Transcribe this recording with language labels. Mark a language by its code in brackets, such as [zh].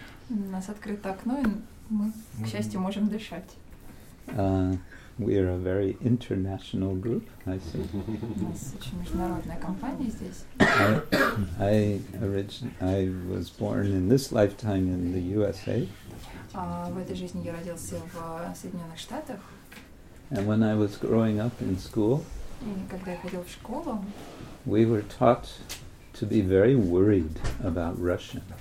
[ru] У нас открыто окно, и мы, к счастью, можем дышать. [en] We are a very international group, I see. [ru] У нас очень международная компания здесь. [en] I was born in this lifetime in the USA. [ru] В этой жизни я родился в Соединенных Штатах. [en] And when I was growing up in school, [ru] когда я ходил в школу, [en] we were taught to be very worried about Russia.